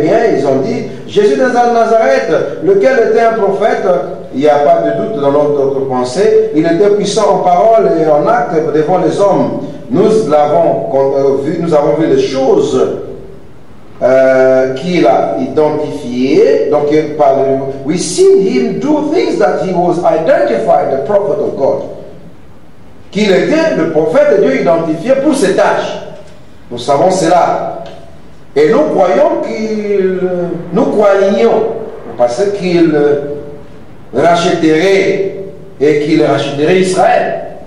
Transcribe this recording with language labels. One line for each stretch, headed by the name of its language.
French: Eh bien, ils ont dit, Jésus de Nazareth, lequel était un prophète, il n'y a pas de doute dans notre pensée, il était puissant en parole et en acte devant les hommes. Nous avons vu les choses qu'il a identifiées.
English: Donc, we see him do things that he was identified the prophet of God.
French: Qu'il était le prophète de Dieu identifié pour cette tâche. Nous savons cela. Et nous croyons qu'il. Nous croyions parce qu'il rachèterait et qu'il rachèterait Israël.